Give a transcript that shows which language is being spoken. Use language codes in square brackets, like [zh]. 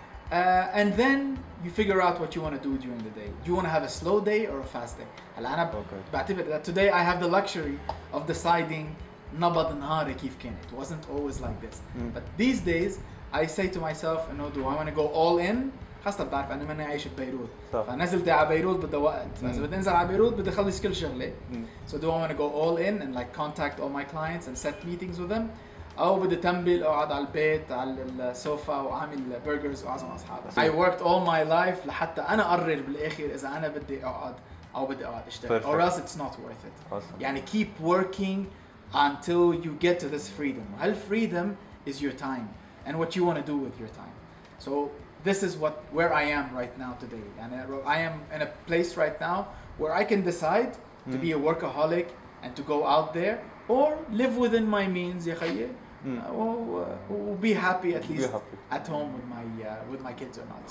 [en] And then you figure out what you want to do during the day. Do you want to have a slow day or a fast day? Today I have the luxury of deciding [ar] نبض نهاري كيف كان. [en] It wasn't always like this. But these days I say to myself, you know, do I want to go all in? [ar] خاصة بعرف أنا ماني عايش ببيروت فنزلت على بيروت بدي وقت فإذا بدي انزل على بيروت بدي أخلص كل شغلة [en] so do I want to go all in and like contact all my clients and set meetings with them [ar] أو بدي تنبل أو عاد على البيت على السوفا وعامل برجرز وعزم أصحابي [en] I worked all my life [ar] لحتى أنا أقرر بالآخر إذا أنا بدي أقعد أو بدي أقعد أشتغل [en] Perfect. Or else it's not worth it awesome. يعني keep working until you get to this freedom هل freedom is your time and what you want to do with your time so This is what where I am right now today, and I am in a place right now where I can decide to be a workaholic and to go out there or live within my means, [ar] يا خيي, [en] or be happy at least at home with my kids or not.